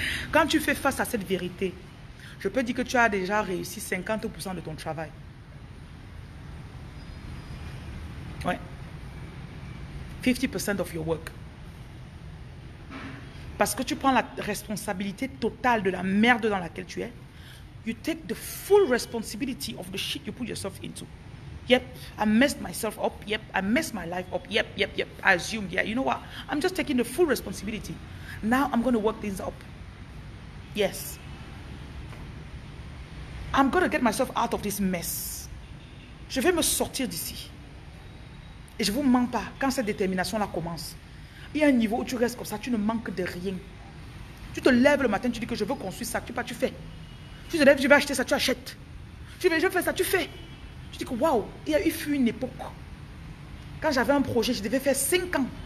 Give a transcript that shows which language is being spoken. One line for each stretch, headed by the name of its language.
French: Quand tu fais face à cette vérité, je peux dire que tu as déjà réussi 50% de ton travail.
English: Ouais. 50% of your work.
French: Parce que tu prends la responsabilité totale de la merde dans laquelle tu es.
English: You take the full responsibility of the shit you put yourself into. Yep, I messed myself up. Yep, I messed my life up. Yep. I assumed, yeah, you know what? I'm just taking the full responsibility. Now I'm going to work things up. Yes. I'm going to get myself out of this mess.
French: Je vais me sortir d'ici. Et je ne vous mens pas, quand cette détermination-là commence, il y a un niveau où tu restes comme ça, tu ne manques de rien. Tu te lèves le matin, tu dis que je veux construire ça, tu pars, tu fais. Tu te lèves, tu vas acheter ça, tu achètes. Je veux faire ça, tu fais. Tu dis que waouh, il fut une époque. Quand j'avais un projet, je devais faire 5 ans.